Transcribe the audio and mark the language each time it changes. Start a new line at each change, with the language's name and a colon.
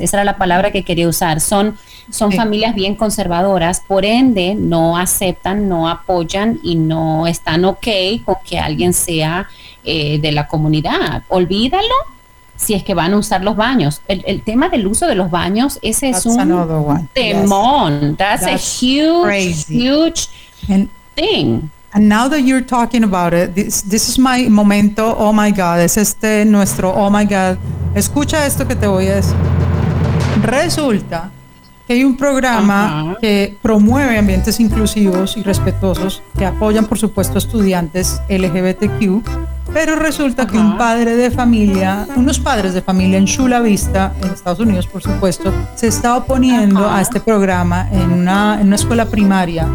Spanish: Esa era la palabra que quería usar. Son familias bien conservadoras, por ende no aceptan, no apoyan y no están ok con que alguien sea de la comunidad. Olvídalo si es que van a usar los baños. El tema del uso de los baños, ese es un temón.
English: Yes. That's a huge thing. And now that you're talking about it, this is my momento, oh my God,
Spanish: es este nuestro
English: oh my God.
Spanish: Escucha esto que te voy a decir. Resulta que hay un programa que promueve ambientes inclusivos y respetuosos, que apoyan, por supuesto, estudiantes LGBTQ, pero resulta que unos padres de familia en Chula Vista, en Estados Unidos, por supuesto, se está oponiendo a este programa en una escuela primaria.